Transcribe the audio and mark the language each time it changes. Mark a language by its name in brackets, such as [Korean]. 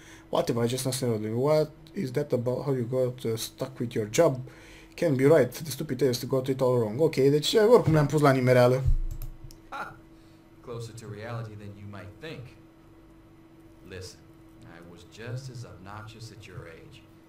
[English] What if I just asked you, what is that about how you got stuck with your job? Can't be right. The stupid test got it all wrong. [Romanian] Ok, deci oricum ne-am pus la nimereală. [English] Ha! Closer to reality than you might think. Listen, I was just as obnoxious at your age.